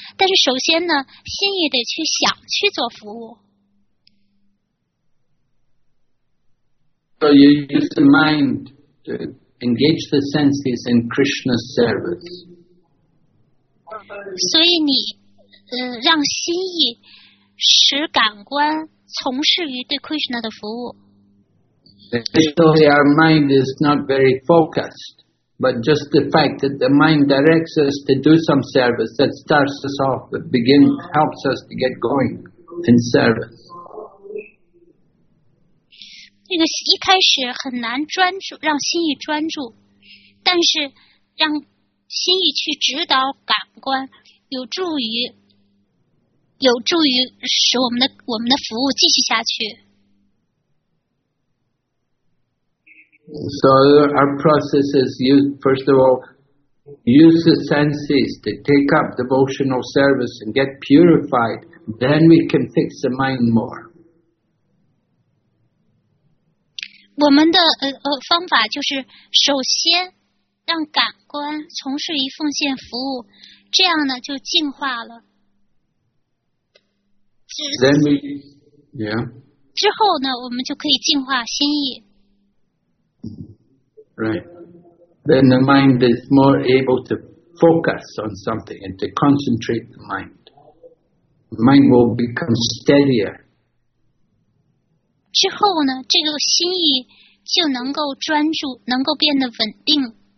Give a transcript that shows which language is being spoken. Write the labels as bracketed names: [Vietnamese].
[Chinese] 但是首先呢，心意得去想去做服务。 [English] So you use the mind to engage the senses in Krishna's service. [Chinese] 所以你让心意使感官从事于对 Krishna 的服务。 [English] Initially, our mind is not very focused, but just the fact that the mind directs us to do some service that starts us off, that begins, helps us to get going in service. [Chinese] 这个一开始很难专注，让心意专注，但是让心意去指导感官，有助于使我们的服务继续下去。 [English] So our process is, first of all, use the senses to take up devotional service and get purified, then we can fix the mind more. [Chinese] 我们的方法就是首先让感官从事于奉献服务，这样呢就净化了。 [English] Then we, yeah. [Chinese] 之后呢我们就可以净化心意。 [English] Right. Then the mind is more able to focus on something and to concentrate the mind. The mind will become steadier. [Chinese] 之后呢，这个心意就能够专注，能够变得稳定。